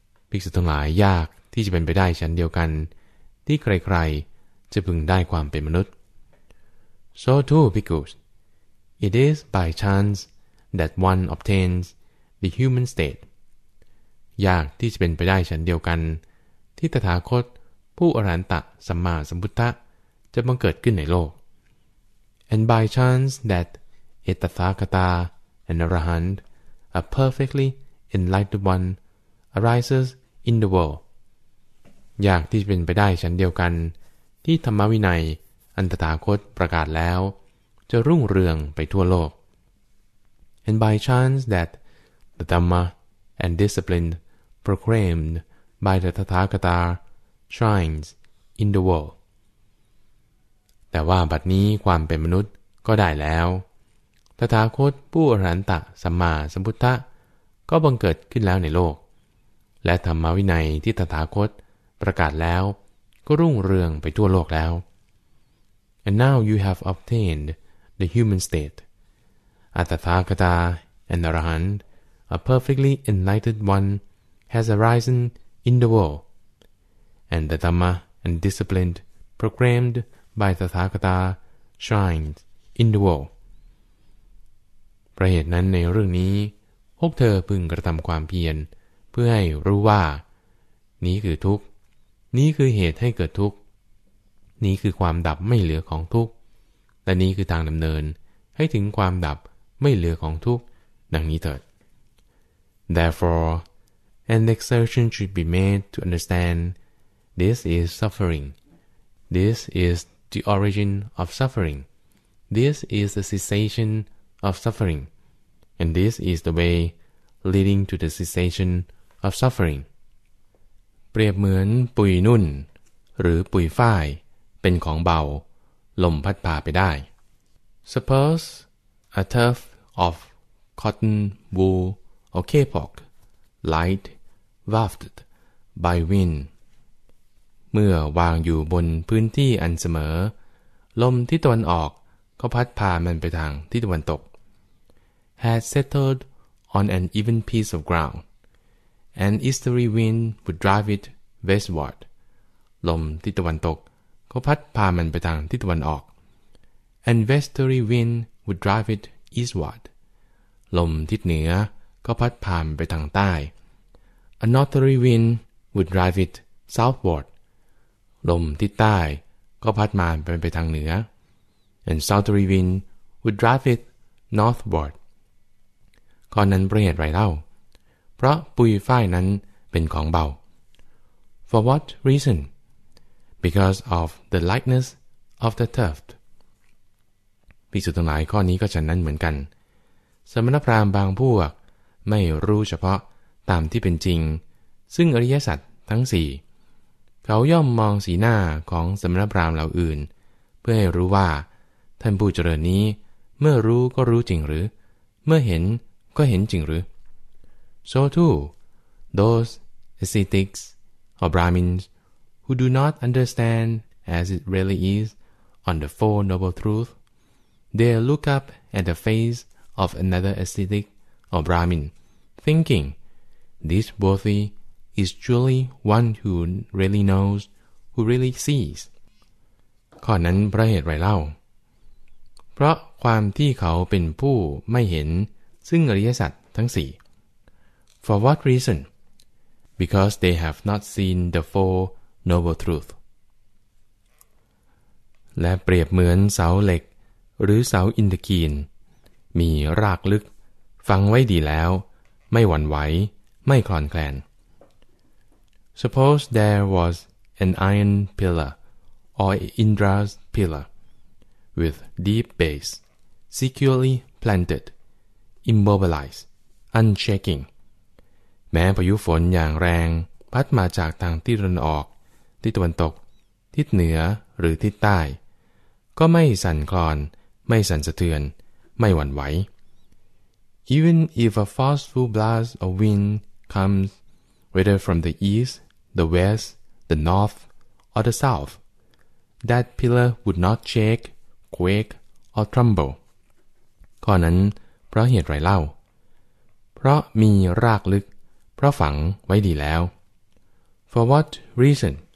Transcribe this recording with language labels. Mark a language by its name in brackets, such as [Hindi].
[Thai] ภิกษุทั้งหลายยากที่จะเป็นไปได้ฉันเดียวกันที่ใครๆจะพึงได้ความเป็นมนุษย์ [English] So too, bhikkhus, it is by chance that one obtains the human state. [Thai] ยากที่จะเป็นไปได้ฉันเดียวกันที่ตถาคตผู้อรหันตสัมมาสัมพุทธะจะบังเกิดขึ้นในโลก [English] And by chance that a Tathagata, an Arahant, a perfectly enlightened one, arises in the world. [Thai] ยากที่จะเป็นไปได้ฉันเดียวกันที่ธรรมวินัยอันตถาคตประกาศแล้วจะรุ่งเรืองไปทั่วโลก [English] And by chance that the DhammaAnd discipline proclaimed by the Tathagata shines in the world. [Thai] แต่ว่าบัดนี้ความเป็นมนุษย์ก็ได้แล้วตถาคตผู้อรหันตสัมมาสัมพุทธะก็บังเกิดขึ้นแล้วในโลกและธรรมวินัยที่ตถาคตประกาศแล้วก็รุ่งเรืองไปทั่วโลกแล้ว [English] And now you have obtained the human state. A Tathagata and Arahant. A perfectly enlightened one has arisen in the world, and the Dhamma and discipline proclaimed by the Tathagata shines in the world. [Thai] ประเหตุนั้นในเรื่องนี้พวกเธอพึงกระทำความเพียรเพื่อให้รู้ว่านี้คือทุกข์นี้คือเหตุให้เกิดทุกข์นี้คือความดับไม่เหลือของทุกข์และนี้คือทางดำเนินให้ถึงความดับไม่เหลือของทุกข์ดังนี้เถิด [English] Therefore, an exertion should be made to understand this is suffering. This is the origin of suffering. This is the cessation of suffering. And this is the way leading to the cessation of suffering. [Thai] เปรียบเหมือนปุยนุ่นหรือปุยฝ้ายเป็นของเบาลมพัดพาไปได้ [English] Suppose a tuft of cotton wool. A kapok, light, wafted by wind. [Thai] เมื่อวางอยู่บนพื้นที่อันเสมอลมที่ตะวันออกก็พัดพามันไปทางที่ตะวันตก [English] Had settled on an even piece of ground. An easterly wind would drive it westward. [Thai] ลมที่ตะวันตกก็พัดพามันไปทางที่ตะวันออก [English] An westerly wind would drive it eastward. [Thai] ลมทิศเหนือก็พัดผ่านไปทางใต้ [English] A northerly wind would drive it southward [Thai] ลมทิศใต้ก็พัดมันไปทางเหนือ [English] And southerly wind would drive it northward [Thai] ข้อนั้นเป็นเหตุไรเล่าเพราะปุยฝ้ายนั้นเป็นของเบา [English] For what reason? Because of the lightness of the tuft [Thai] ภิกษุทั้งหลายข้อนี้ก็ฉะนั้นเหมือนกันสมณพราหมณ์บางพวกไม่รู้เฉพาะตามที่เป็นจริงซึ่งอริยสัจทั้งสี่เขาย่อมมองสีหน้าของสมณพราหมณ์เหล่าอื่นเพื่อให้รู้ว่าท่านผู้เจริญนี้เมื่อรู้ก็รู้จริงหรือเมื่อเห็น ก็เห็นจริงหรือ [English] So too those ascetics or Brahmins who do not understand as it really is on the Four Noble Truths they look up at the face of another ascetic or Brahmin thinking this worthy is truly one who really knows who really sees [Thai] ข้อนั้นเพราะเหตุไรเล่า เพราะความที่เขาเป็นผู้ไม่เห็นซึ่งอริยสัจทั้งสี่ [English] For what reason? Because they have not seen the four noble truths. [Thai] และเปรียบเหมือนเสาเหล็กหรือเสาอินทคีนมีรากลึกฟังไว้ดีแล้วไม่หวั่นไหวไม่คลอนแคลน [English] Suppose there was an iron pillar or Indra's pillar. With deep base, securely planted, immobilized, unshaking. [Thai] แม้พายุฝนอย่างแรงพัดมาจากทางที่ตะวันออกที่ตะวันตกทิศเหนือหรือทิศใต้ก็ไม่สั่นคลอนไม่สั่นสะเทือนไม่หวั่นไหว [English] Even if a forceful blast of wind comes, whether from the east, the west, the north, or the south, that pillar would not shakequake or tremble [Thai] ข้อนั้นเพราะเหตุไรเล่าเพราะมีรากลึกเพราะฝังไว้ดีแล้ว [English] For what reason?